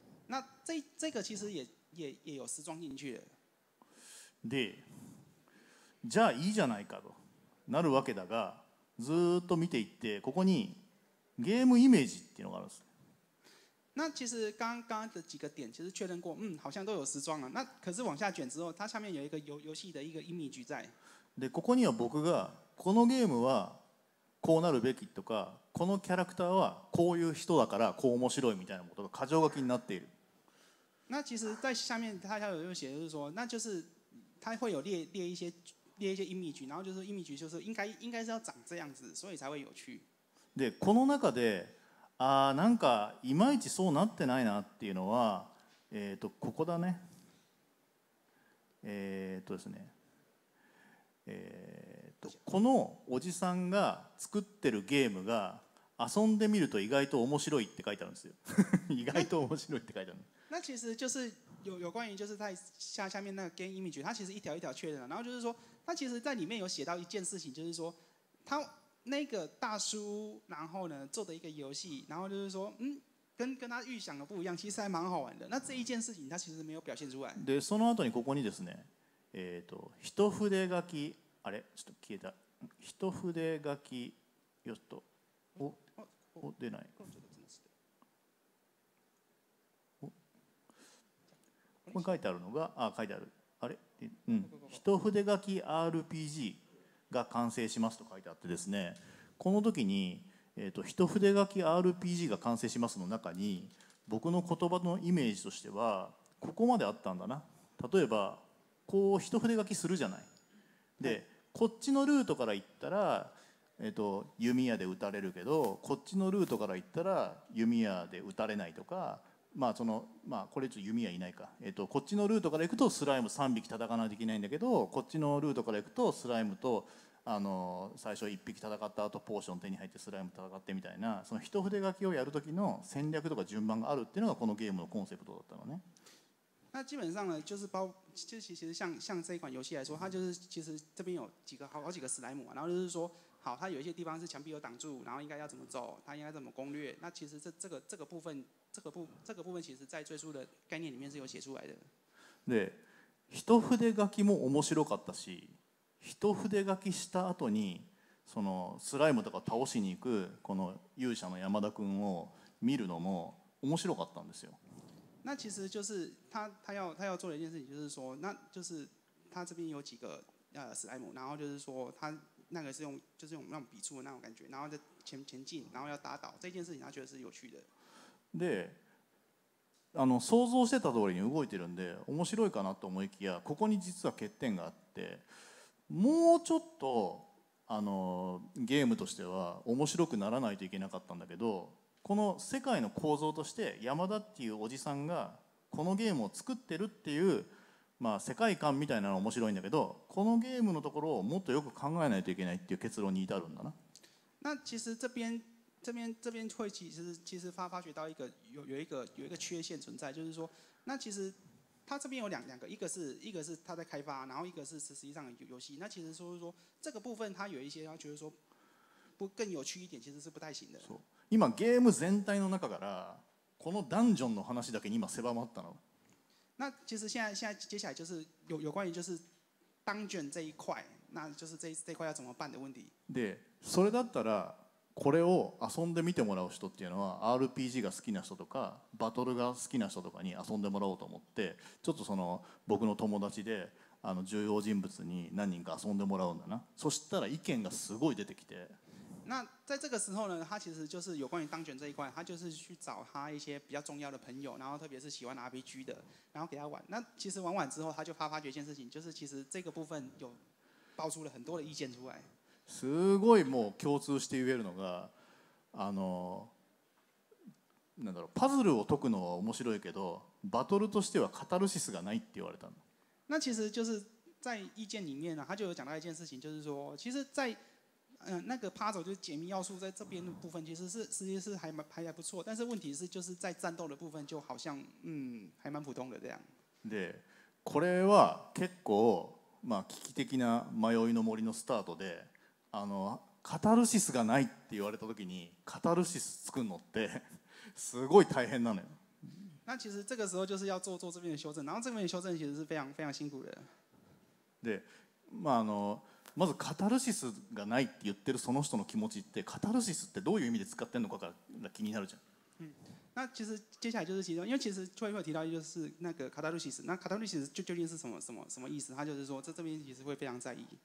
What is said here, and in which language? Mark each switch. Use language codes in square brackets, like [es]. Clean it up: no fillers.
[zh] 那这个其实也有时装进去的。 [ja] で、じゃあいいじゃないかとなるわけだが、ずっと見ていってここにゲームイメージっていうのがあるんです。 [zh] 那其实刚刚的几个点其实确认过，好像都有时装了。那可是往下卷之后，它下面有一个游戏的一个image在。 [ja] で、ここには僕がこのゲームはこうなるべきとか、このキャラクターはこういう人だからこう面白いみたいなことが箇条書きになっている。 [zh] 那其实，在下面它还有写，就是说，那就是它会有列一些 image， 然后就是 image 就是应该是要长这样子，所以才会有趣。 [ja] で、この中で。ああなんかいまいちそうなってないなっていうのはここだね。ですね。このおじさんが作ってるゲームが遊んでみると意外と面白いって書いてあるんですよ。意外と面白いって書いてある。 [zh] 那其实就是有关于就是在下面那个 game image， 它其实一条一条确认了，然后就是说它其实在里面有写到一件事情，就是说它。那个大叔，然后呢做的一个游戏，然后就是说，跟他预想的不一样，其实还蛮好玩的。那这一件事情，他其实没有表现出来。 [ja] で、その後にここにですね、一筆書き、あれ、ちょっと消えた。一筆書きよっと。お、お出ない。ここに書いてあるのが、あ、書いてある。あれ、うん、一筆書き RPG が完成しますと書いてあってですね、この時に、一筆書き RPG が完成しますの中に僕の言葉のイメージとしてはここまであったんだな。例えばこう一筆書きするじゃない。で、こっちのルートから行ったら、弓矢で撃たれるけど、こっちのルートから行ったら弓矢で撃たれないとか、まあそのまあ、これちょっと弓矢いないか、こっちのルートから行くとスライム3匹戦わないといけないんだけど、こっちのルートから行くとスライムと、最初1匹戦った後ポーション手に入ってスライム戦ってみたいな、その一筆書きをやる時の戦略とか順番があるっていうのがこのゲームのコンセプトだったのね。 [zh] 那基本上呢，就是包，就其实像这一款游戏来说，它就是其实这边有几个好几个史莱姆，然后就是说，好，它有一些地方是墙壁有挡住，然后应该要怎么走，它应该怎么攻略。那其实这个部分，这个部分其实在最初的概念里面是有写出来的。 [ja] で、一筆書きも面白かったし、一筆書きした後にそのスライムとか倒しに行くこの勇者の山田君を見るのも面白かったんですよ。 [zh] 那其实就是 他要做的一件事情，就是说，那就是他这边有几个史莱姆，然后就是说他那个是用就是用那种笔触的那种感觉，然后在前进，然后要打倒这件事情，他觉得是有趣的。 [ja] で、想像してた通りに動いてるんで面白いかなと思いきや、ここに実は欠点があって、もうちょっとゲームとしては面白くならないといけなかったんだけど。この世界の構造として山田っていうおじさんがこのゲームを作ってるっていう、まあ、世界観みたいなのが面白いんだけど、このゲームのところをもっとよく考えないといけないっていう結論に至るんだな。 [zh] 那其实这边会其实发觉到有一个缺陷存在，就是说，那其实他这边有两个，一个是他在开发，然后一个是实际上游戏。那其实说这个部分他有一些他觉得说不更有趣一点，其实是不太行的。 [ja] 今ゲーム全体の中からこのダンジョンの話だけに今狭まったの。 [zh] 那其实现在接下来就是有关于就是ダンジョン这一块，那就是这一块要怎么办的问题。 [ja] で、それだったらこれを遊んでみてもらう人っていうのは RPG が好きな人とかバトルが好きな人とかに遊んでもらおうと思って、ちょっとその僕の友達で重要人物に何人か遊んでもらうんだな。そしたら意見がすごい出てきて。 [zh] 那在这个时候呢，他其实就是有关于当卷这一块，他就是去找他一些比较重要的朋友，然后特别是喜欢 RPG 的，然后给他玩。那其实玩完之后，他就发觉一件事情，就是其实这个部分有爆出了很多的意见出来。 [ja] すごいもう共通して言えるのが、なんだろう、パズルを解くのは面白いけど、バトルとしてはカタルシスがないって言われたの。 [zh] 那其实就是在意见里面呢，他就有讲到一件事情，就是说，其实，在那个puzzle就是解谜要素，在这边的部分其实是还不错，但是问题是就是在战斗的部分就好像还蛮普通的这样。 [ja] で、これは結構まあ危機的な迷いの森のスタートで、カタルシスがないって言われた時にカタルシス作るのってすごい大変なのよ。 [zh] 那其实这个时候就是要做这边的修正，然后这边的修正其实是非常非常辛苦的。 [ja] で、まあまずカタルシスがないって言ってるその人の気持ちって、カタルシスってどういう意味で使ってるのかが気になるじゃん。 [zh] 那其实接下来就是其中，因为其实最后提到就是那个カタルシス。那カタルシス究竟是什么意思？他就是说，这边其实会非常在意。